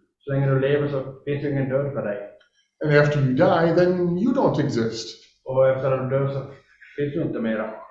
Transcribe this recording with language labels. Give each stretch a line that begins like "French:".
Swedish: Så länge du lever så finns ingen död för dig.
English: And after you die, then you don't exist.
Swedish: Och efter att du dör så finns du inte mer.